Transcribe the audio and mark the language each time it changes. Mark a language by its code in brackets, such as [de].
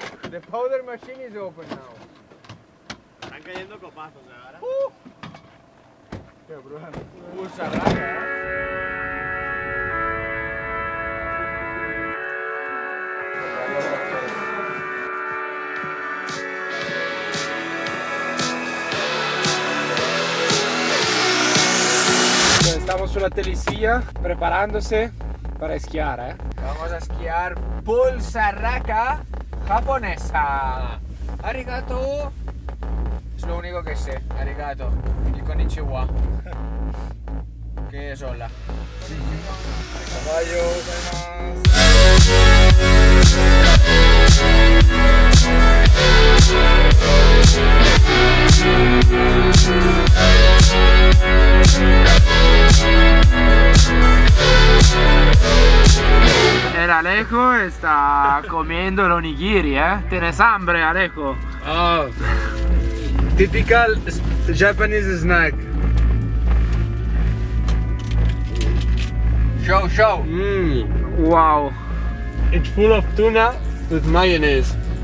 [en] The powder machine is open now. [es] Están cayendo copazos ahora. Qué brutal. Salario. Estamos en la telesilla preparándose para esquiar, ¿eh? Vamos a esquiar Pulsarraca japonesa. Arigato. Es lo único que sé. Arigato. Y konnichiwa. ¿Qué es hola? Caballo. El Alejo está comiendo el onigiri, ¿eh? ¿Tienes hambre, Alejo? [en] Oh, typical Japanese snack. Show. Wow. It's full of tuna with mayonnaise.